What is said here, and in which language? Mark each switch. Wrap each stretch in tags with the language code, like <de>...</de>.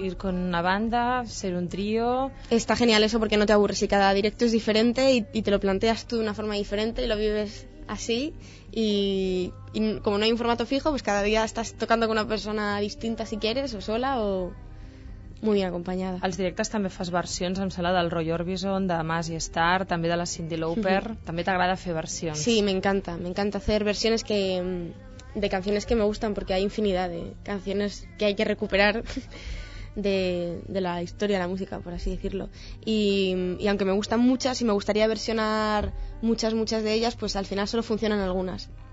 <es>ir con una banda, ser un trío. Está genial eso porque no te aburres y cada directo es diferente y te lo planteas tú de una forma diferente y lo vives así y como no hay un formato fijo, pues cada día estás tocando con una persona distinta si quieres, o sola o muy bien acompañada.</es> <ca>Als directes també fas versions, em sembla, del Roy Orbison, de Mas y Star, també de la Cyndi Lauper. També t'agrada fer versions.</ca> <es>Sí, me encanta hacer versiones de canciones que me gustan, porque hay infinidad de canciones que hay que recuperar de la historia de la música, por así decirlo, y aunque me gustan muchas y me gustaría versionar muchas, muchas de ellas, pues al final solo funcionan algunas.</es>